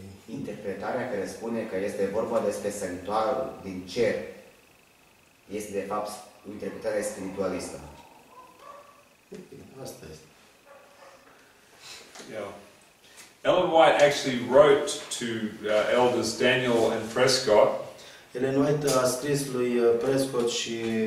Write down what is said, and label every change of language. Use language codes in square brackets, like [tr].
[ro] interpretarea care spune că este vorba despre sanctuarul din cer este de fapt o interpretare spiritualistă. Asta este. Yeah. [en] Ellen White actually wrote to elders Daniel and Prescott. [ro] Ellen White a scris lui Prescott și